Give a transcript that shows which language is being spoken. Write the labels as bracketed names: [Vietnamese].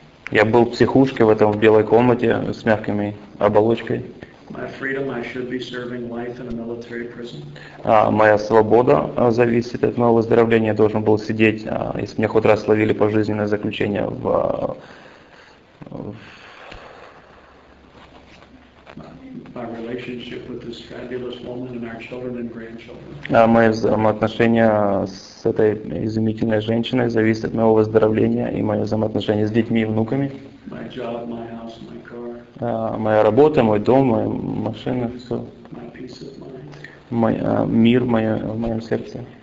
[Russian] Я был в психушке в этом белой комнате с мягкими оболочкой. Моя свобода зависит от моего выздоровления. Я должен был сидеть, если меня хоть раз словили пожизненное заключение [English] My relationship with this fabulous woman and our children and grandchildren. [Russian] А мои взаимоотношения с этой изумительной женщиной зависят от моего выздоровления и мои взаимоотношения с детьми и внуками. [English] My job, my house, my car. [Russian] Моя работа, мой дом, моя машина, все. [English] My peace of mind. [Russian] Мир в моем сердце.